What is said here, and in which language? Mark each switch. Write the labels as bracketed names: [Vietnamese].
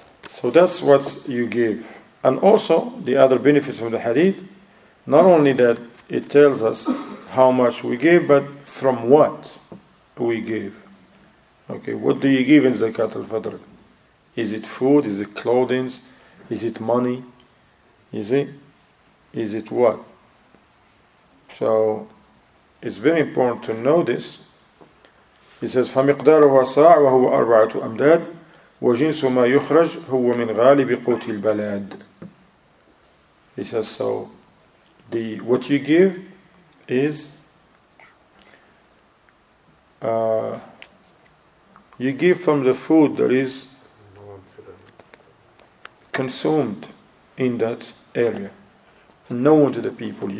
[English] So that's what you give. And also, the other benefits of the hadith, not only that it tells us how much we give, but from what we give. Okay, what do you give in Zakat al-Fitr? Is it food? Is it clothing? Is it money? You see? Is it what? So, it's very important to know this. He says, [Arabic] فَمِقْدَارُهُ وَصَاعُ وَهُوَ أَرْبَعَةُ أَمْدَادُ وَجِنْسُ مَا يُخْرَجْ هُوَ مِنْ غَالِبِ قُوتِ الْبَلَادِ. [English] He says, so the what you give is you give from the food that is consumed in that area, known to the people.